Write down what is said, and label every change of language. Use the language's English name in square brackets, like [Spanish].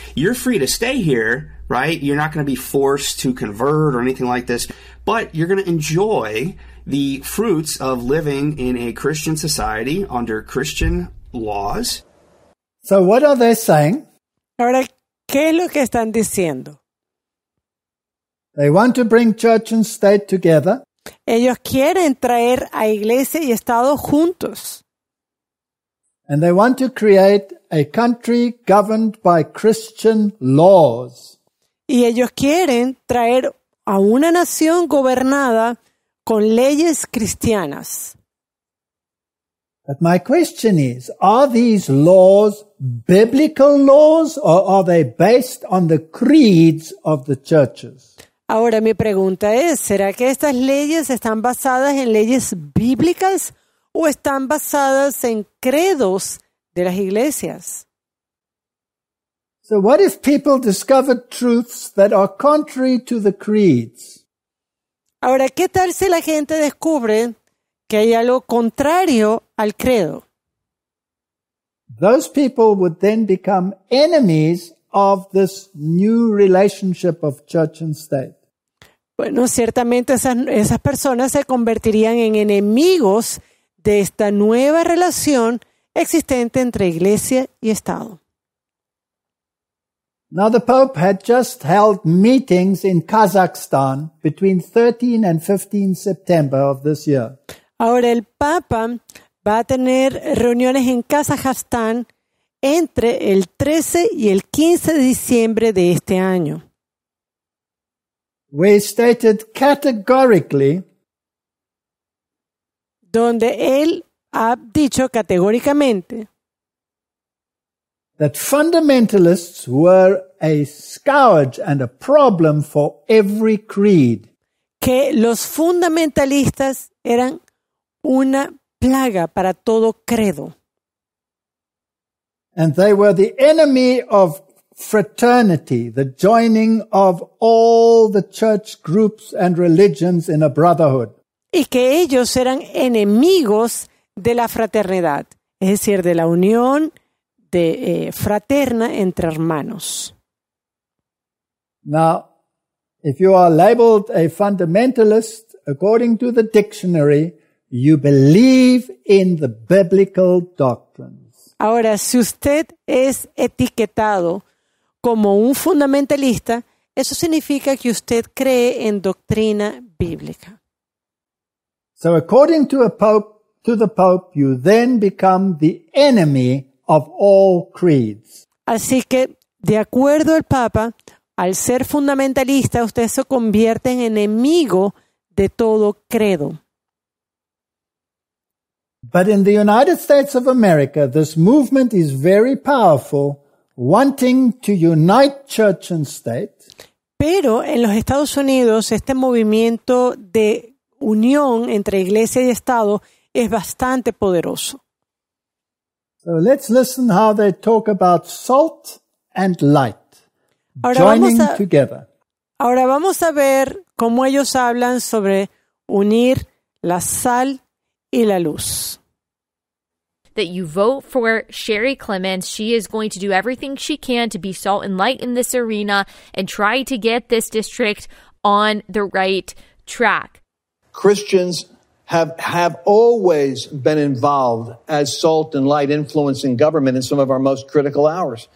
[English] You're free to stay here, right? You're not going to be forced to convert or anything like this, but you're going to enjoy the fruits of living in a Christian society under Christian laws. So what are they saying? [Spanish] Ahora, ¿qué es lo que están diciendo? [English] They want to bring church and state together. [Spanish] Ellos quieren traer a iglesia y estado juntos. [English] And they want to create a country governed by Christian laws. [Spanish] Y ellos quieren traer a una nación gobernada con leyes cristianas. [English] But my question is, are these laws biblical laws or are they based on the creeds of the churches? [Spanish] Ahora mi pregunta es, ¿será que estas leyes están basadas en leyes bíblicas o están basadas en credos de las iglesias? [English] So what if people discovered truths that are contrary to the creeds? [Spanish] Ahora, ¿qué tal si la gente descubre que hay algo contrario al credo? [English] Those people would then become enemies of this new relationship of church and state. [Spanish] Bueno, ciertamente esas personas se convertirían en enemigos de esta nueva relación existente entre iglesia y Estado. [English] Now the Pope had just held meetings in Kazakhstan between 13 and 15 September of this year. [Spanish] Ahora el Papa va a tener reuniones en Kazajstán entre el 13 y el 15 de diciembre de este año. [English] We stated categorically, [Spanish] donde él ha dicho categóricamente, [English] that fundamentalists were a scourge and a problem for every creed. [Spanish] Que los fundamentalistas eran una plaga para todo credo. [English] And they were the enemy of fraternity, the joining of all the church groups and religions in a brotherhood. [Spanish] Y que ellos eran enemigos de la fraternidad, es decir, de la unión fraterna entre hermanos. [English] Now, if you are labeled a fundamentalist, according to the dictionary, you believe in the biblical doctrines. [Spanish] Ahora, si usted es etiquetado como un fundamentalista, eso significa que usted cree en doctrina bíblica. [English] So, according to the Pope, you then become the enemy of all creeds. [Spanish] Así que, de acuerdo al Papa, al ser fundamentalista, usted se convierte en enemigo de todo credo. [English] But in the United States of America, this movement is very powerful, wanting to unite church and state. [Spanish] Pero en los Estados Unidos, este movimiento de unión entre iglesia y Estado es bastante poderoso. [English] So let's listen how they talk about salt and light. [Spanish] Ahora vamos a ver cómo ellos hablan sobre unir la sal y la luz. [English] that you vote for Sherry Clements. She is going to do everything she can to be salt and light in this arena and try to get this district on the right track. Christians have always been involved as salt and light influencing government in some of our most critical hours.